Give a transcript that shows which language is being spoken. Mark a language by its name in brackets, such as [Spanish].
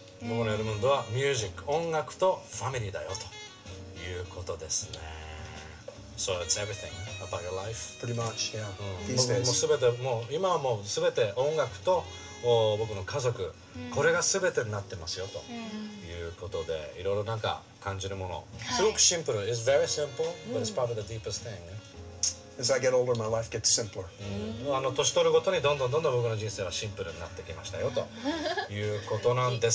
[Japanese] 僕のエルムンドは music、音楽とファミリーだよということですね。 [English] So it's everything about your life. Pretty much, yeah. [Japanese] もうすべて、もう今はもうすべて音楽と僕の家族、これがすべてになってますよということで、いろいろなんか感じるもの。すごくシンプル。 [English] It's very simple, but it's probably the deepest thing. As I get older, my life gets simpler. [Japanese] 年取るごとにどんどんどんどん僕の人生はシンプルになってきましたよということなんです。